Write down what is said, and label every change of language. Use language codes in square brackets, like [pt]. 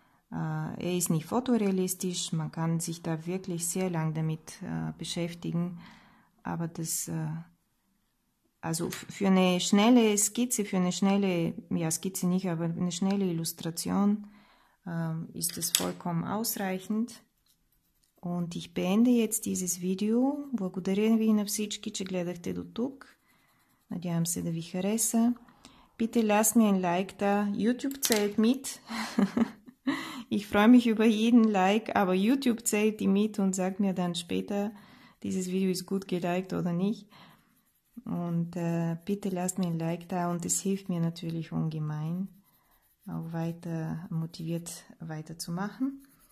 [de] Er ist nicht fotorealistisch, man kann sich da wirklich sehr lang damit beschäftigen. Aber das, also für eine schnelle Skizze, für eine schnelle, ja Skizze nicht, aber eine schnelle Illustration ist das vollkommen ausreichend. Und ich beende jetzt dieses Video. [bg] Благодарен ви на всички, че гледахте до тук. Надявам се да ви хареса. [de] Bitte lasst mir ein Like da. YouTube zählt mit. Ich freue mich über jeden Like, aber YouTube zählt die mit und sagt mir dann später, dieses Video ist gut geliked oder nicht. Und bitte lasst mir ein Like da und es hilft mir natürlich ungemein, auch weiter motiviert weiterzumachen.